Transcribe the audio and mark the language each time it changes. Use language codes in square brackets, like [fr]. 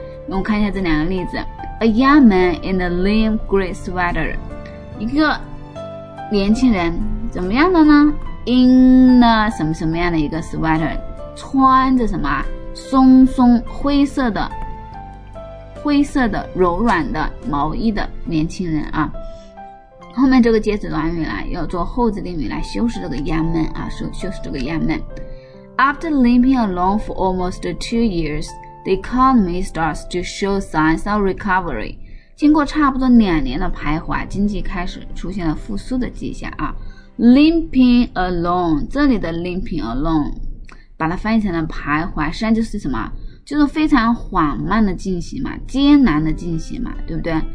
[zh] 我们看一下这两个例子 ： [en] A young man in a limp gray sweater， [zh] 一个年轻人怎么样的呢 ？In 呢什么什么样的一个 sweater， 穿着什么松松灰色的。灰色的柔软的毛衣的年轻人啊，后面这个介词短语来要做后置定语来修饰这个 young man 啊，修饰这个 young man。 [en] After limping along for almost 2 years, the economy starts to show signs of recovery。 [zh] 经过差不多两年的徘徊，经济开始出现了复苏的迹象啊。 Limping along， 这里的 limping along， 把它翻译成了徘徊，实际上就是什么？就是非常缓慢的进行嘛，艰难的进行嘛，对不对？